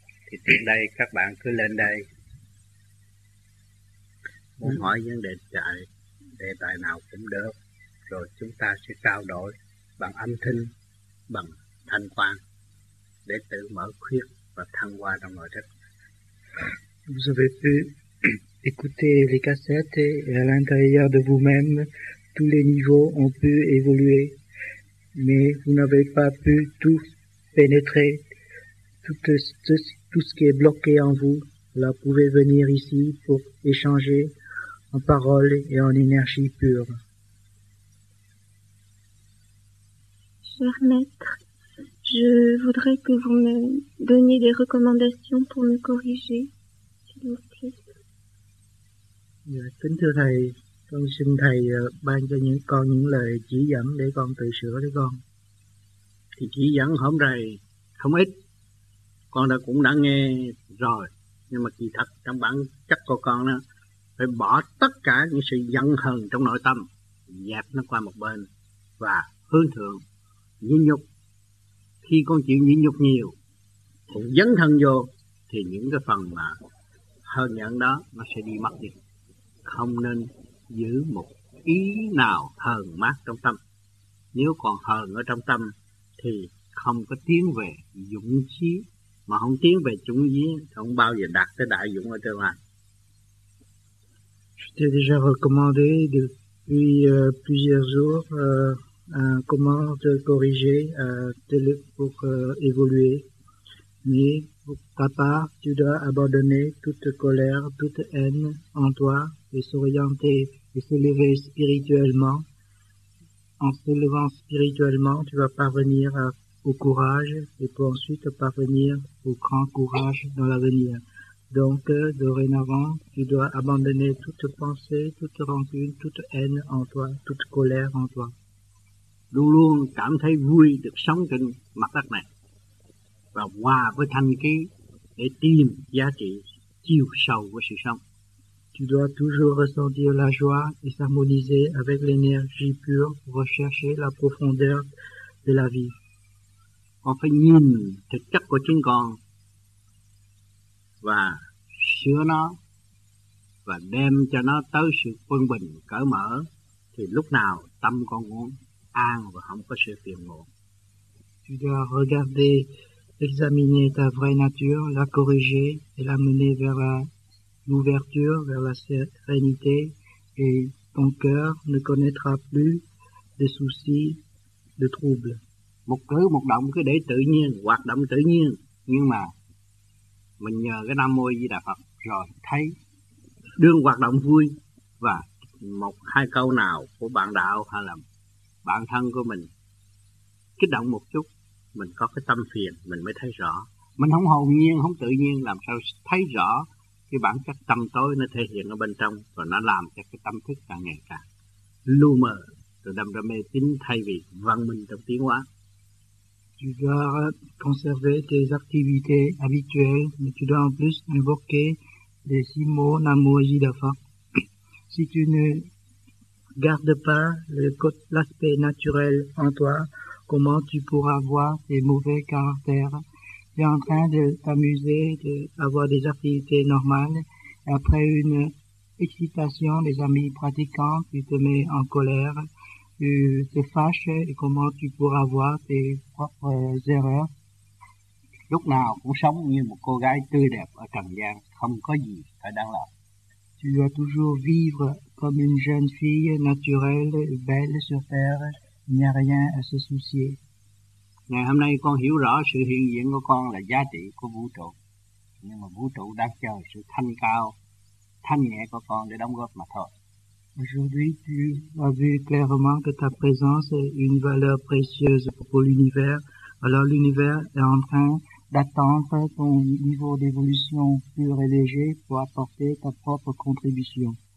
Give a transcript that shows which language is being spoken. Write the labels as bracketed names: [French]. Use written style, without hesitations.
[Vietnamese] Thì từ đây các bạn cứ lên đây, muốn hỏi vấn đề tài nào cũng được, rồi chúng ta sẽ trao đổi bằng âm thanh, bằng thanh quan để tự mở khuyết và thăng hoa trong nội thất. [French] Vous avez pu écouter les cassettes et à l'intérieur de vous-même, tous les niveaux ont pu évoluer, mais vous n'avez pas pu tout pénétrer, tout ce qui est bloqué en vous. Là, vous pouvez venir ici pour échanger en parole et en énergie pure. Cher maître, je voudrais que vous me donniez des recommandations pour me corriger. [Vietnamese] Dạ, kính thưa Thầy, con xin Thầy ban cho những con những lời chỉ dẫn để con tự sửa đấy con. Thì chỉ dẫn hôm nay không ít, con đã cũng đã nghe rồi. Nhưng mà kỳ thật trong bản chất của con đó, phải bỏ tất cả những sự giận hờn trong nội tâm, dẹp nó qua một bên và hướng thượng, nhẫn nhục. Khi con chịu nhẫn nhục nhiều, cũng dấn thân vô, thì những cái phần mà hơn nhận đó nó sẽ đi mất đi. Không nên giữ một ý nào hờn mát trong tâm. Nếu còn hờn ở trong tâm thì không có tiến về dũng chí. Mà không tiến về dũng chí không bao giờ đạt tới đại dũng ở tương lai. [French] Je t'ai déjà recommandé depuis plusieurs jours comment te corriger pour évoluer. Mais papa, tu dois abandonner toute colère, toute haine en toi et s'orienter et s'élever spirituellement. En s'élevant spirituellement, tu vas parvenir au courage et pour ensuite parvenir au grand courage dans l'avenir. Donc, dorénavant, tu dois abandonner toute pensée, toute rancune, toute haine en toi, toute colère en toi. [Vietnamese] Luôn luôn cảm thấy vui được sống trên mặt đất này và hòa với thanh khí để tìm giá trị chiều sâu của sự sống. [French] Tu dois toujours ressentir la joie et s'harmoniser avec l'énergie pure pour rechercher la profondeur de la vie. [Vietnamese] Con phải nhìn thực chất của chính con và sửa nó và đem cho nó tới sự quân bình cởi mở, thì lúc nào tâm con cũng an và không có sự phiền muộn. [French] Tu dois regarder, examiner ta vraie nature, la corriger et l'amener vers l'ouverture, vers la sérénité, et ton cœur ne connaîtra plus de soucis, de troubles. [Vietnamese] Một cử một động cứ để tự nhiên, hoạt động tự nhiên, nhưng mà mình nhờ cái Nam Mô Di Đà Phật rồi thấy đương hoạt động vui, và một hai câu nào của bạn đạo hay là bản thân của mình kích động một chút, mình có cái tâm phiền, mình mới thấy rõ. Mình không hồn nhiên, không tự nhiên, làm sao thấy rõ cái bản chất tâm tối nó thể hiện ở bên trong, và nó làm cho cái tâm thức càng ngày càng lu mờ, từ đâm ra mê tín thay vì văn minh trong tiến hóa. [French] Tu dois conserver tes activités habituelles, mais tu dois en plus invoquer les six mots Namo Ajida Phat. Si tu ne gardes pas l'aspect naturel en toi, comment tu pourras voir tes mauvais caractères? Tu es en train de t'amuser, d'avoir des activités normales. Après une excitation des amis pratiquants, tu te mets en colère, tu te fâches, et comment tu pourras voir tes propres erreurs? [Vietnamese] Lúc nào cũng sống như một cô gái tươi đẹp ở trần gian, không có gì phải đáng lo. [French] Tu dois toujours vivre comme une jeune fille naturelle, belle sur terre. Il n'y a rien à se soucier. [Vietnamese] Ngày hôm nay con hiểu rõ sự hiện diện của con là giá trị của vũ trụ. Nhưng mà vũ trụ đang chờ sự thanh cao, thanh nhẹ của con để đóng góp mà thôi. [French] Aujourd'hui, tu as vu clairement que ta présence est une valeur précieuse pour l'univers. Alors l'univers est en train d'attendre ton niveau d'évolution pur et léger pour apporter ta propre contribution.